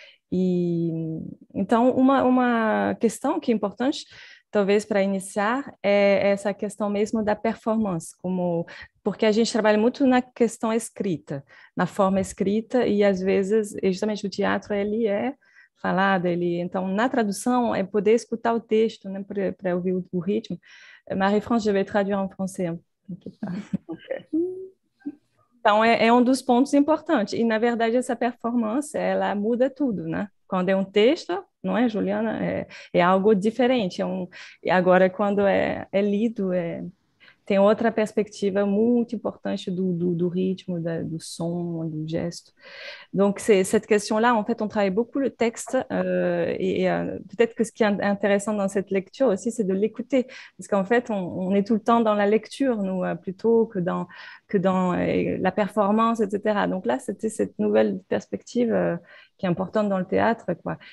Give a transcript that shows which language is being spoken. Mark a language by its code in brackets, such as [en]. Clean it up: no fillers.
[pt] E então uma questão que é importante talvez para iniciar é essa questão mesmo da performance, como porque a gente trabalha muito na questão escrita, na forma escrita, e às vezes justamente o teatro ele é falado, ele então na tradução é poder escutar o texto, né, para ouvir o ritmo. [fr] Marie-France, je vais traduire en français. [pt] Então, é um dos pontos importantes. E, na verdade, essa performance, ela muda tudo, né? Quando é um texto, não é, Juliana? É algo diferente. E agora, quando é lido, tem outra perspectiva muito importante do ritmo, do som, do gesto. [fr] Donc, cette question-là, en fait, on travaille beaucoup le texte. Peut-être que ce qui est intéressant dans cette lecture aussi, c'est de l'écouter. Parce qu'en fait, on est tout le temps dans la lecture, nous, plutôt que dans la performance, etc. Donc là, c'était cette nouvelle perspective qui est importante dans le théâtre, quoi.